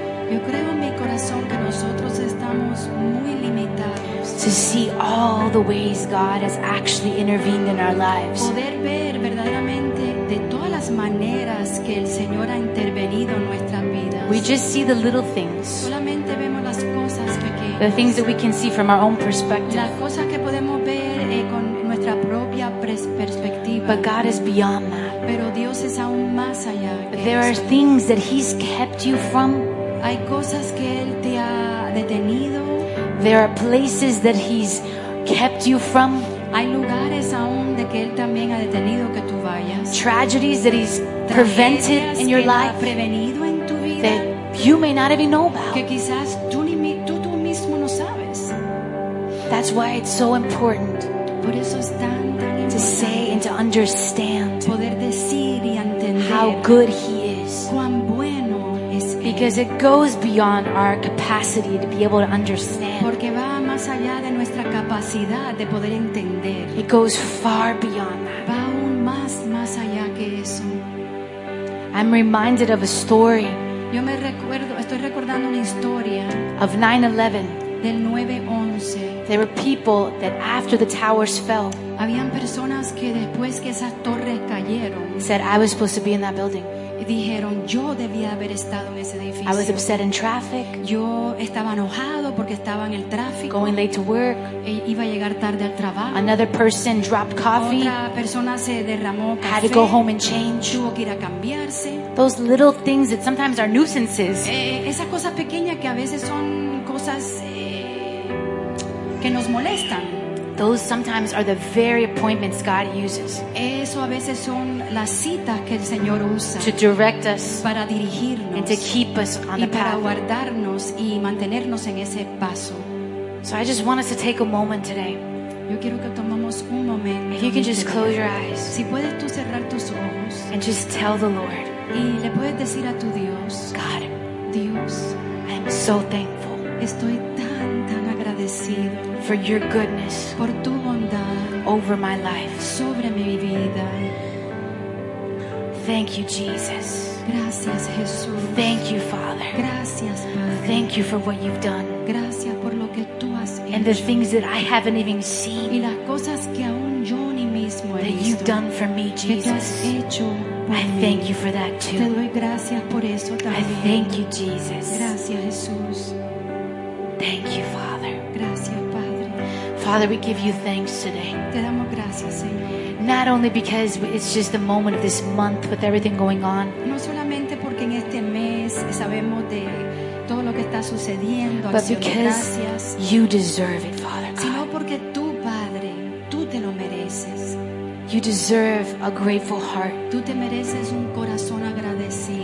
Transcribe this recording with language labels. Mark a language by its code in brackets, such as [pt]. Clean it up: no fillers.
[es] Yo creo en mi corazón que nosotros estamos muy limitados. [en] To see all the ways God has actually intervened in our lives. [es] Poder ver verdaderamente de todas las maneras que el Señor ha intervenido en nuestras vidas. [en] We just see the little things. [es] Solamente vemos las cosas pequeñas. [en] The things that we can see from our own perspective. [es] Las cosas que podemos ver con nuestra propia perspectiva. [en] But God is beyond that. [es] Pero Dios es aún más allá. [en] There are things that he's kept you from. [es] Hay cosas que él te ha detenido. [en] There are places that he's kept you from. [es] Hay lugares aún de que él también ha detenido que tú vayas. [en] Tragedies that he's prevented in your life. [es] Tragedias que él ha prevenido en tu vida. [en] That you may not even know about. [es] Que quizás tú mismo no sabes. [en] That's why it's so important. [es] Por eso es tan importante. [en] To say and to understand. [es] Poder decir y [en] how good he is. [es] Cuán bueno es él. [en] Because it goes beyond our capacity to be able to understand. [es] Porque va más allá de nuestra capacidad de poder entender. [en] It goes far beyond that. [es] Va aún más allá que eso. [en] I'm reminded of a story. [es] Yo me recuerdo, estoy recordando una historia [en] of 9/11. [es] Del 9/11. [en] There were people that after the towers fell. [es] Habían personas que después que esas torres cayeron. [en] Said I was supposed to be in that building. [es] Dijeron yo debía haber estado en ese edificio. [en] I was upset in traffic. [es] Yo estaba enojado porque estaba en el tráfico. [en] Going late to work. [es] Iba a llegar tarde al trabajo. [en] Another person dropped coffee. [es] Otra persona se derramó café. [en] Had to go home and change. [es] Tuvo que ir a cambiarse. [en] Those little things that sometimes are nuisances. [es] Esas cosas pequeñas que a veces son cosas que nos molestan. [en] Those sometimes are the very appointments God uses. [es] Eso a veces son las citas que el Señor usa [en] to direct us [es] para dirigirnos [en] and to keep us on [es] y [en] the [es] para [en] path. [es] Guardarnos y mantenernos en ese paso. [en] So I just want us to take a moment today. [es] Yo quiero que tomamos un momento. [en] If you can just close your eyes. [es] Si puedes tú cerrar tus ojos. [en] And just tell the Lord. [es] Y le puedes decir a tu Dios. [en] God. [es] Dios. [en] I am so thankful. [es] Estoy tan agradecido. [en] For your goodness. [es] Por tu bondad. [en] Over my life. [es] Sobre mi vida. [en] Thank you, Jesus. [es] Gracias, Jesús. [en] Thank you, Father. [es] Gracias, Padre. [en] Thank you for what you've done. [es] Gracias por lo que tú has hecho. [en] And the things that I haven't even seen. [es] Y las cosas que aún yo ni mismo he [en] that [es] visto. [en] You've done for me, Jesus. [es] Que tú has hecho [en] I thank you for that too. [es] Te doy gracias por eso también. [en] I thank you, Jesus. [es] Gracias, Jesús. [en] Thank you, Father. [es] Gracias, Padre. [en] Father, we give you thanks today. [es] Te damos gracias, Señor. [en] Not only because it's just the moment of this month with everything going on. [es] No solamente porque en este mes sabemos de todo lo que está sucediendo. [en] But because you deserve it, Father God. [es] Sino porque tú, Padre, tú te lo mereces. [en] You deserve a grateful heart. [es] Tú te mereces un corazón agradecido.